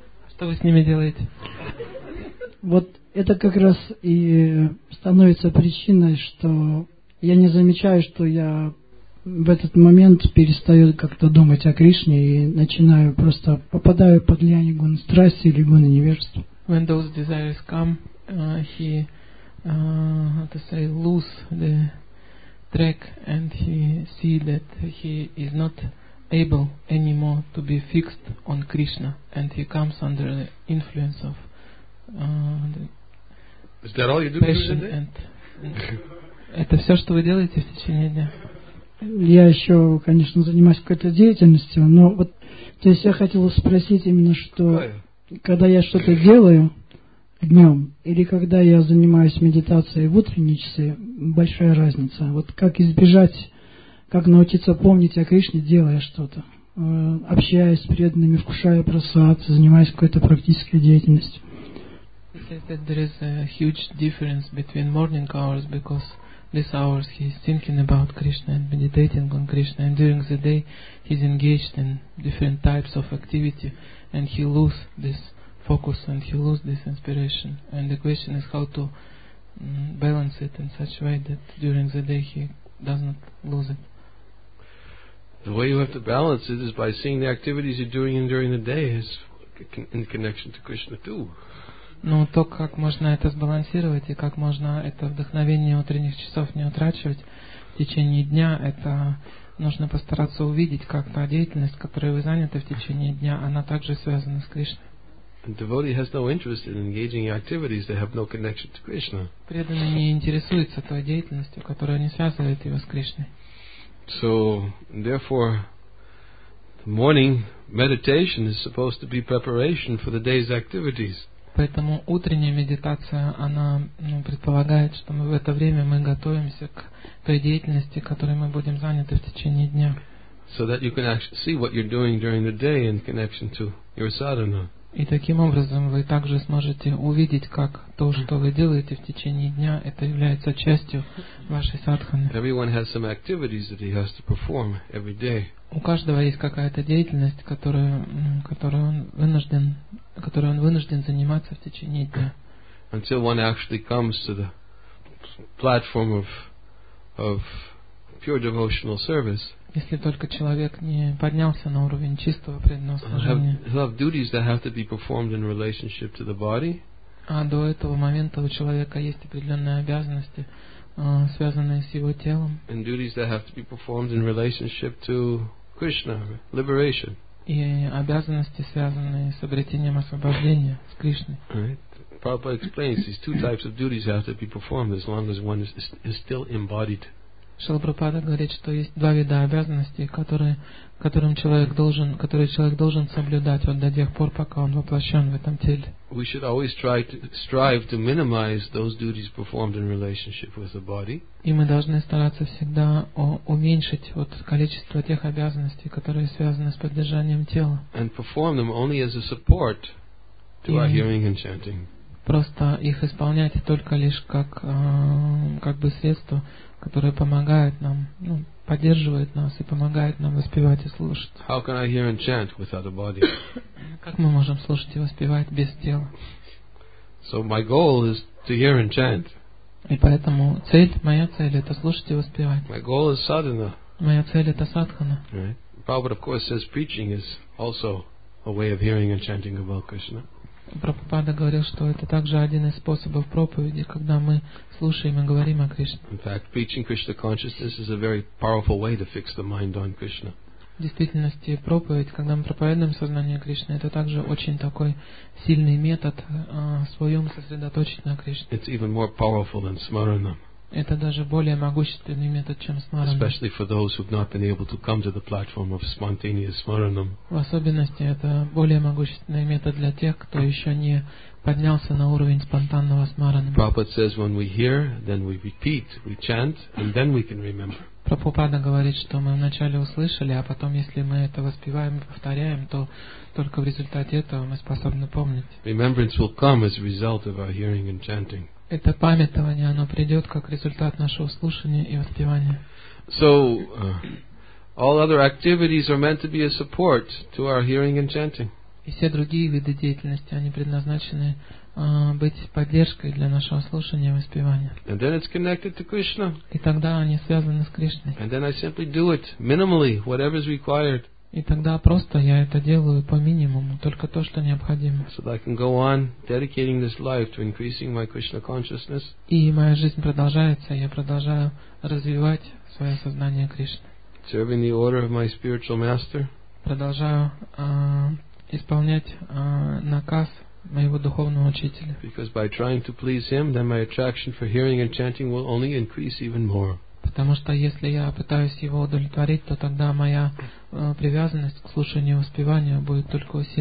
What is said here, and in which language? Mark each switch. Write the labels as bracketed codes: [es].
[ru] Что вы с ними делаете? Вот это как раз и становится причиной, что я не замечаю, что я в этот момент перестаю как-то думать о Кришне и начинаю просто попадаю под влияние гуны страсти или гуны невежества. [en] When those desires come, he how to say, lose the track and he see that he is not able anymore to be fixed on Krishna and he comes under the influence of the is that all you do passion and [ru] это все, что вы делаете в течение дня? Я еще, конечно, занимаюсь какой-то деятельностью, но вот то есть я хотел спросить именно, что когда я что-то делаю днем, или когда я занимаюсь медитацией в утренние часы, большая разница. Вот как избежать, как научиться помнить о Кришне, делая что-то, общаясь с преданными, вкушая прасад, занимаясь какой-то практической деятельностью. [en] He says that there is a huge difference between morning hours, because these hours he is thinking about Krishna and meditating on Krishna, and during the day he is engaged in different types of activity, and he loses this focus and he lose this inspiration. And the question is how to balance it in such a way that during the day he does not lose it. The way you have to balance it is by seeing the activities you're doing during the day is in connection to Krishna too. [ru] Ну, то, как можно это сбалансировать и как можно это вдохновение утренних часов не утрачивать в течение дня, это нужно постараться увидеть, как та деятельность, которой вы заняты в течение дня, она также связана с Кришной. [en] Devotee has no interest in engaging in activities that have no connection to Krishna. [ru] Преданный не интересуется той деятельностью, которая не связывает его с Кришной. [en] So, therefore, the morning meditation is supposed to be preparation for the day's activities. [ru] Поэтому утренняя медитация, она предполагает, что мы в это время мы готовимся к той деятельности, которой мы будем заняты в течение дня. [en] So that you can actually see what you're doing during the day in connection to your sadhana. [ru] И таким образом вы также сможете увидеть, как то, что вы делаете в течение дня, это является частью вашей садханы. [en] Everyone has some activities that he has to perform every day. [ru] У каждого есть какая-то деятельность, которую он вынужден заниматься в течение дня. [en] Until one actually comes to the platform of pure devotional service. [ru] Если только человек не поднялся на уровень чистого преданного служения. [en] Have duties that have to be performed in relationship to the body. [ru] А до этого момента у человека есть определенные обязанности, связанные с его телом. [en] And duties that have to be performed in relationship to Krishna, liberation. [ru] И обязанности, связанные с обретением освобождения с Кришной. [en] Right. Prabhupada explains these two types of duties have to be performed as long as one is still embodied. [ru] Шрила Прабхупада говорит, что есть два вида обязанностей, которые человек должен соблюдать вот до тех пор, пока он воплощен в этом теле. [en] We should always try to strive to minimize those duties performed in relationship with the body. [ru] И мы должны стараться всегда уменьшить вот количество тех обязанностей, которые связаны с поддержанием тела. [en] And perform them only as a support to our hearing and chanting. [ru] Просто их исполнять только лишь как бы средство, которое помогает нам, ну, поддерживает нас и помогает нам воспевать и слушать. [en] How can I hear and chant without a body? [ru] Как мы можем слушать и воспевать без тела? [en] So my goal is to hear and chant. [ru] И поэтому моя цель это слушать и воспевать. [en] My goal is sadhana. [ru] Моя цель это садхана. [en] Right. Prabhupada of course says preaching is also a way of hearing and chanting about Krishna. [ru] Прабхупада говорил, что это также один из способов проповеди, когда мы слушаем и говорим о Кришне. [en] In fact, preaching Krishna consciousness is a very powerful way to fix the mind on Krishna. [ru] В действительности, проповедь, когда мы проповедуем сознание Кришны, это также очень такой сильный метод своем сосредоточить на Кришне. [en] It's even more powerful than smarana. [ru] Это даже более могущественный метод, чем смарана. [en] Especially for those who've not been able to come to the platform of spontaneous smaranam. [ru] В особенности это более могущественный метод для тех, кто еще не поднялся на уровень спонтанного смарана. [en] Prabhupada says when we hear, then we repeat, we chant, and then we can remember. [ru] Прабхупада говорит, что мы вначале услышали, а потом, если мы это воспеваем и повторяем, то только в результате этого мы способны помнить. [en] Remembrance will come as a result of our hearing and chanting. [ru] Это памятование, оно придет как результат нашего слушания и воспевания. [en] So, all other activities are meant to be a support to our hearing and chanting. [ru] И все другие виды деятельности, они предназначены быть поддержкой для нашего слушания и воспевания. [en] And then it's connected to Krishna. [ru] И тогда они связаны с Кришной. [en] And then I simply do it minimally, whatever is required. [ru] И тогда просто я это делаю по минимуму, только то, что необходимо. [en] So that I can go on dedicating this life to increasing my Krishna consciousness. [ru] И моя жизнь продолжается, я продолжаю развивать свое сознание Кришны. [en] Serving the order of my spiritual master. [ru] Продолжаю исполнять наказ моего духовного учителя. [en] Because by trying to please him, then my attraction for hearing and chanting will only increase even more. [ru] Потому что если я пытаюсь его удовлетворить, то тогда моя привязанность к слушанию и воспеванию будет только